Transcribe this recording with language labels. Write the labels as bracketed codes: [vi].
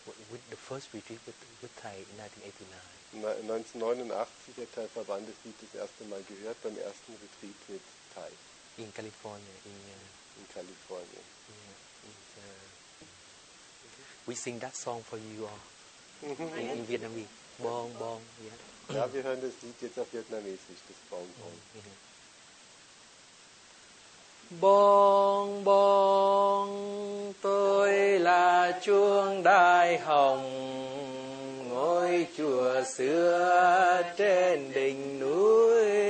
[en] With the first retreat with Thay in 1989. [de] 1989 hat Thay das erste Mal gehört beim ersten Retreat mit Thay. [en] In California. In California. We sing that song for you all. in Vietnamese. Bong bong. Yeah. [de] Ja, wir hören das Lied jetzt auf Vietnamesisch, das Bong bong. [vi] Bong bong, tôi là chuông đài hồng, ngôi chùa xưa trên đỉnh núi.